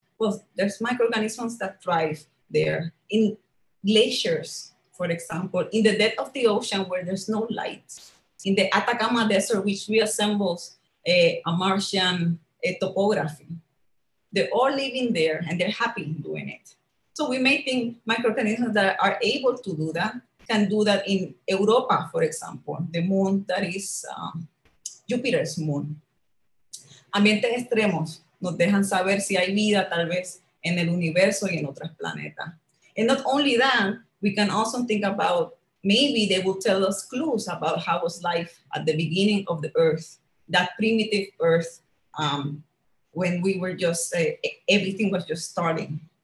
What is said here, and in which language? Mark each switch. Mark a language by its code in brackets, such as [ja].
[en] Well, there's microorganisms that thrive there in glaciers, for example, in the depth of the ocean where there's no light, in the Atacama Desert, which reassembles a Martian a topography. They're all living there and they're happy doing it. So we may think microorganisms that are able to do that can do that in Europa, for example, the moon that is Jupiter's moon. [es] Ambientes extremos nos dejan saber si hay vida tal vez en el universo y en otros planetas. [en] And not only that, we can also think about maybe they will tell us clues about how was life at the beginning of the Earth, that primitive Earth, when we were just, everything was just starting.